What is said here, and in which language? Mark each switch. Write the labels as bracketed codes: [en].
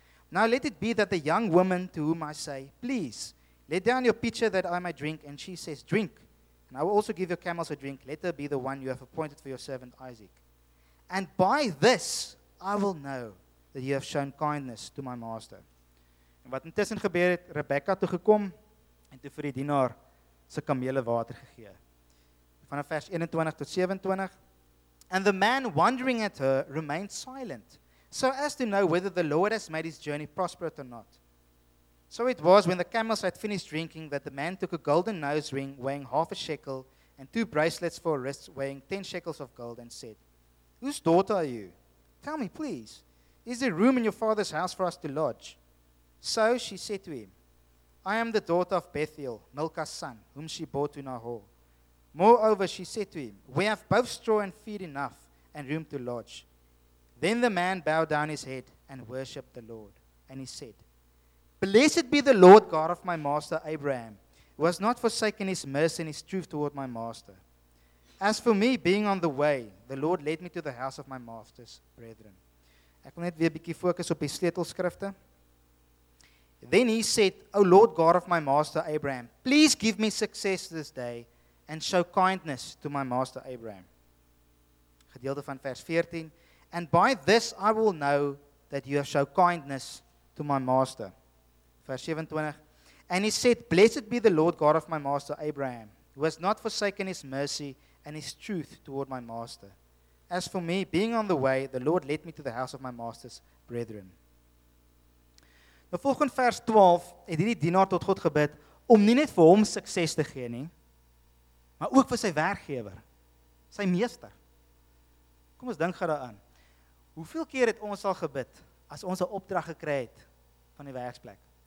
[en] Now let it be that the young woman to whom I say, please, let down your pitcher that I may drink, and she says, drink, and I will also give your camels a drink. Let her be the one you have appointed for your servant Isaac. And by this I will know that you have shown kindness to my master. [af] En wat intussen gebeur het, Rebekka toe gekom, en toe vir die dienaar sy kamele water gegee. Vanaf vers 21 tot 27. [en] And the man wondering at her remained silent, so as to know whether the Lord has made his journey prosperous or not. So it was when the camels had finished drinking that the man took a golden nose ring weighing half a shekel and two bracelets for wrists weighing 10 shekels of gold and said, whose daughter are you? Tell me, please, is there room in your father's house for us to lodge? So she said to him, I am the daughter of Bethuel, Milcah's son, whom she bore to Nahor. Moreover, she said to him, we have both straw and feed enough, and room to lodge. Then the man bowed down his head and worshipped the Lord. And he said, Blessed be the Lord God of my master Abraham, who has not forsaken his mercy and his truth toward my master. As for me, being on the way, the Lord led me to the house of my master's brethren. [af] Ek wil net weer 'n bietjie fokus op die sleutelskrifte. [en] Then he said, O Lord God of my master Abraham, please give me success this day and show kindness to my master Abraham. [af] Gedeelte van vers 14. [en] And by this I will know that you have shown kindness to my master. [af] Vers 27. [en] And he said, Blessed be the Lord God of my master Abraham, who has not forsaken his mercy and his truth toward my master. As for me, being on the way, the Lord led me to the house of my master's brethren. [af] Nou volgens vers 12 het hierdie dienaar tot God gebid om nie net vir hom sukses te gee nie, maar ook vir sy werkgewer, sy meester. Kom ons dink daaraan. Hoeveel keer het ons al gebid as ons 'n opdrag gekry het van die werksplek?